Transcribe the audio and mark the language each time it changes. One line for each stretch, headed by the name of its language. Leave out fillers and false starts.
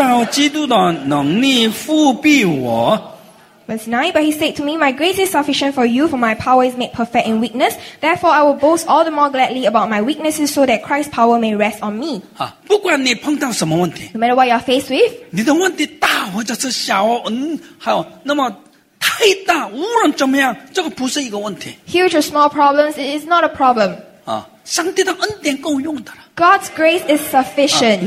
Chinese: 他对我说：“我的恩典够你用的，因为我的能力是在人的软弱上显得完全，所以我更喜欢夸自己的软弱，好叫基督的能力覆庇我。”
English: Verse 9, but he said to me, My grace is sufficient for you, for my power is made perfect in weakness. Therefore, I will boast all the more gladly about my weaknesses so that Christ's power may rest on me.
Chinese: 不管你碰到什么问题,
English: no matter what you're faced with,
Chinese: 你的问题大或者是小, 那么太大, 无论怎么样, 这个不是一个问题。
English: Huge or small problems, it is not a problem.
Chinese: 上帝的恩典够用的了。
English: God's grace is sufficient.